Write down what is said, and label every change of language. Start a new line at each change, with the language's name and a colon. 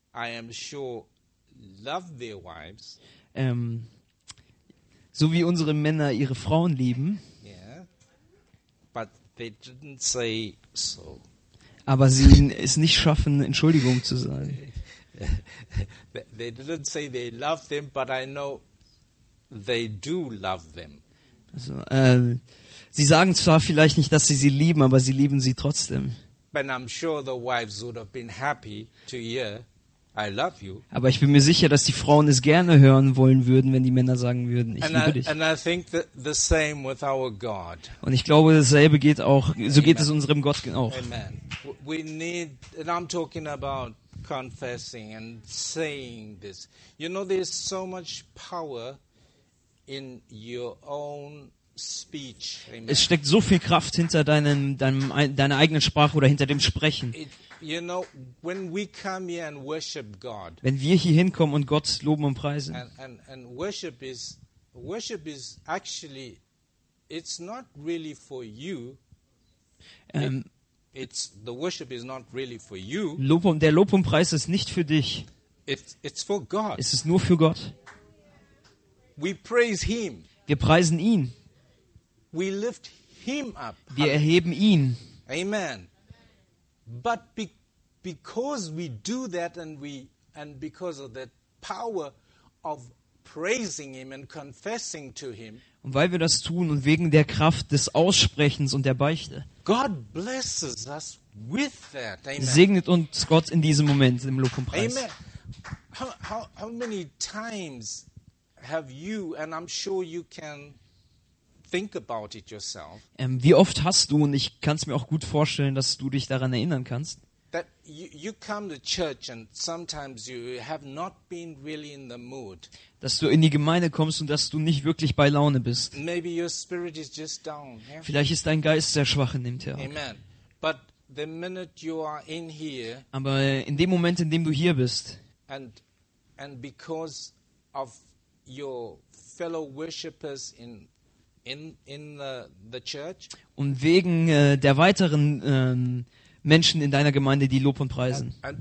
English: I am sure, love their wives.
German: So wie unsere Männer ihre Frauen lieben.
English: Yeah. But they didn't say so.
German: Aber sie es nicht schaffen, Entschuldigung zu sagen.
English: They didn't say they love them, but I know they do love them.
German: Also, sie sagen zwar vielleicht nicht, dass sie sie lieben, aber sie lieben sie trotzdem.
English: But I'm sure the wives would have been happy to hear I love you.
German: Aber ich bin mir sicher, dass die Frauen es gerne hören wollen würden, wenn die Männer sagen würden, ich liebe dich.
English: And I think the same with our God.
German: Und ich glaube, dasselbe geht auch, so geht es unserem Gott auch.
English: Amen. We need, and I'm talking about confessing and saying this. You know, there's so much power in your own speech. Amen.
German: Es steckt so viel Kraft hinter deiner eigenen Sprache oder hinter dem Sprechen.
English: You know, when we come here and worship God,
German: wenn wir hier hinkommen und Gott loben und preisen,
English: and worship is actually, it's not really for you. It's the worship is not really for you.
German: Der Lob und Preis ist nicht für dich.
English: It's for God.
German: Es ist nur für Gott.
English: We praise Him.
German: Wir preisen ihn.
English: We lift Him up.
German: Wir erheben ihn.
English: Amen. But because we do that and because of that power of praising Him and confessing to Him.
German: Und weil wir das tun und wegen der Kraft des Aussprechens und der Beichte.
English: God blesses us with that. Amen.
German: Segnet uns Gott in diesem Moment im Lob und Preis.
English: Amen. How many times have you, and I'm sure you can think about it yourself.
German: Wie oft hast du, und ich kann es mir auch gut vorstellen, dass du dich daran erinnern kannst.
English: That you come to church and sometimes you have not been really in the mood.
German: Dass du in die Gemeinde kommst und dass du nicht wirklich bei Laune bist.
English: Maybe your spirit is just down.
German: Vielleicht ist dein Geist sehr schwach in dem Tag.
English: Amen. But the minute you are in here.
German: Aber in dem Moment, in dem du hier bist.
English: And because of your fellow worshippers in the church.
German: Und wegen der weiteren Menschen in deiner Gemeinde, die Lob und Preisen.